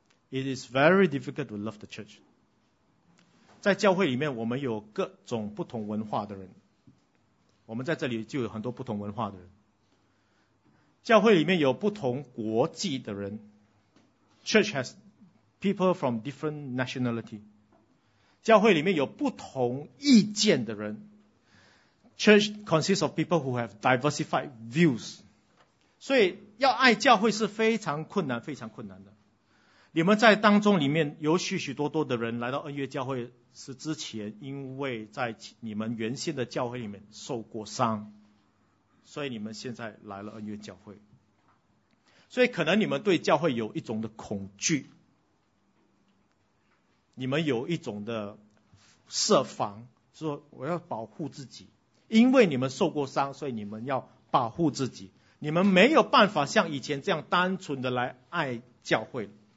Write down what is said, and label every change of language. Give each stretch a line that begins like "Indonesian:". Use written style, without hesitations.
English: It is very difficult to love the church.
Chinese: 在教会里面，我们有各种不同文化的人，我们在这里就有很多不同文化的人。教会里面有不同国籍的人，
English: Church has people from different nationality.
Chinese: 教会里面有不同意见的人，
English: Church consists of people who have diversified views.
Chinese: 所以要爱教会是非常困难，非常困难的。你们在当中里面有许许多多的人来到恩约教会，是之前因为在你们原先的教会里面受过伤，所以你们现在来了恩约教会，所以可能你们对教会有一种的恐惧，你们有一种的设防，说我要保护自己，因为你们受过伤，所以你们要保护自己，你们没有办法像以前这样单纯的来爱教会。